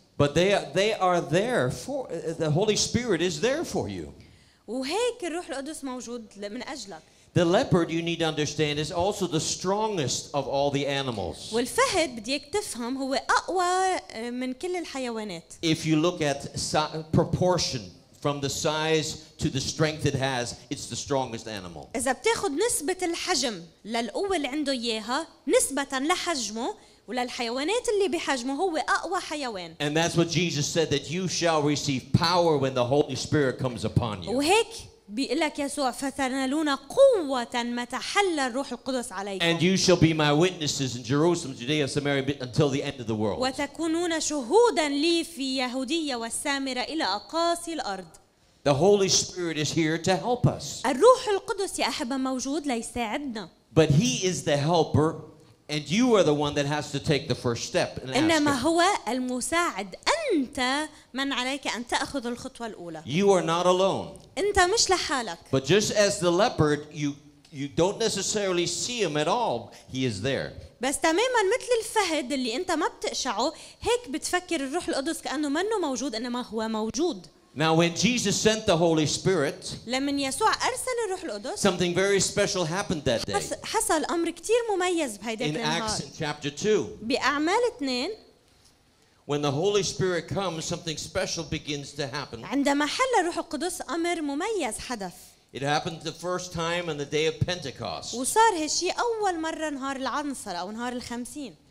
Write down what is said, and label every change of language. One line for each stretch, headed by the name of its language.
English: But they are there for the Holy Spirit is there for you.
Arabic: وهيك الروح القدس موجود من أجلك.
English: The leopard, you need to understand, is also the strongest of all the animals.
Arabic: والفهد بديك تفهم هو أقوى من كل الحيوانات.
English: If you look at proportion from the size to the strength it has, it's the strongest animal.
Arabic: إذا بتاخد نسبة الحجم للقوة اللي عنده إياها نسبة لحجمه وللحيوانات اللي بحجمه هو أقوى حيوان.
English: And that's what Jesus said, that you shall receive power when the Holy Spirit comes upon you.
Arabic: وهيك بيقول لك يسوع فتنالون قوة متى حل الروح القدس عليكم.
English: And you shall be my witnesses in Jerusalem, Judea, Samaria, until the end of the world.
Arabic: وتكونون شهودا لي في يهودية والسامرة إلى أقاصي الأرض.
English: The Holy Spirit is here to help us.
Arabic: الروح القدس يا أحبة موجود ليساعدنا.
English: But He is the helper. And you are the one that has to take the first step and ask.
Arabic: إنما هو المساعد. أنت من عليك أن تأخذ الخطوة الأولى.
English: You are not alone.
Arabic: أنت مش لحالك.
English: But just as the leopard, you don't necessarily see him at all. He is there.
Arabic: بس تماماً مثل الفهد اللي أنت ما بتقشعه, هيك بتفكر الروح القدس كأنه منه موجود, إنما هو موجود.
English: Now, when Jesus sent the Holy Spirit,
Arabic: لمن يسوع أرسل الروح القدس,
English: something very special happened that day.
Arabic: حصل أمر كتير مميز بهيداك النهار.
English: In Acts chapter 2,
Arabic: بأعمال 2,
English: when the Holy Spirit comes, something special begins to happen.
Arabic: عندما حل الروح القدس أمر مميز حدث.
English: It happened the first time on the day of Pentecost.
Arabic: وصار هالشي أول مرة نهار العنصر أو نهار الخمسين.